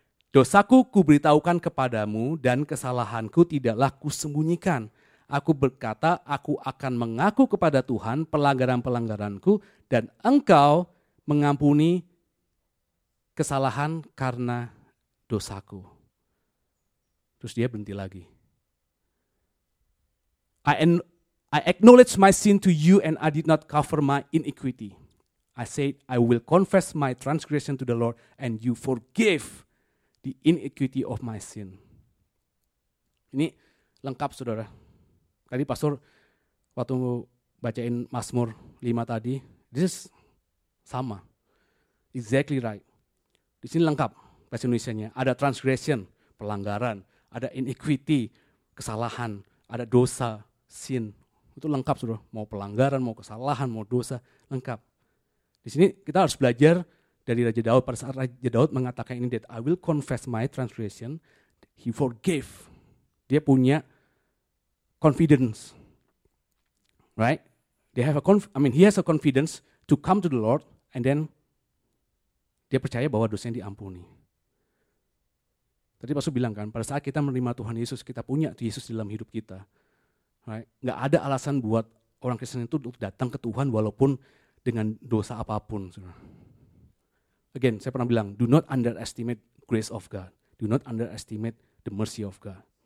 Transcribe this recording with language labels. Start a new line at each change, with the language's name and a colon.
Indonesian: Dosaku kuberitahukan kepadamu dan kesalahanku tidaklah kusembunyikan. Aku berkata, aku akan mengaku kepada Tuhan pelanggaran-pelanggaranku dan engkau mengampuni kesalahan karena dosaku. Terus dia berhenti lagi.
English: I acknowledge my sin to you and I did not cover my iniquity. I said, I will confess my transgression to the Lord and you forgive the iniquity of my sin.
Indonesian: Ini lengkap, saudara. Tadi pastor waktu bacain Mazmur 5 tadi,
English: this is
Indonesian: sama.
English: Exactly right.
Indonesian: Di sini lengkap bahasa Indonesianya. Ada transgression, pelanggaran. Ada iniquity, kesalahan. Ada dosa, sin. Itu lengkap, saudara. Mau pelanggaran, mau kesalahan, mau dosa, lengkap. Di sini kita harus belajar dari Raja Daud, pada saat Raja Daud mengatakan ini,
English: that I will confess my transgression, He forgave.
Indonesian: Dia punya confidence. Right?
English: They have a he has a confidence to come to the Lord, and then
Indonesian: dia percaya bahwa dosanya diampuni. Tadi Pastor bilang kan, pada saat kita menerima Tuhan Yesus, kita punya Yesus dalam hidup kita. Right? Gak ada alasan buat orang Kristen itu untuk datang ke Tuhan walaupun dengan dosa apapun.
English: Again,
Indonesian: saya pernah bilang,
English: do not underestimate grace of God. Do not underestimate the mercy of God.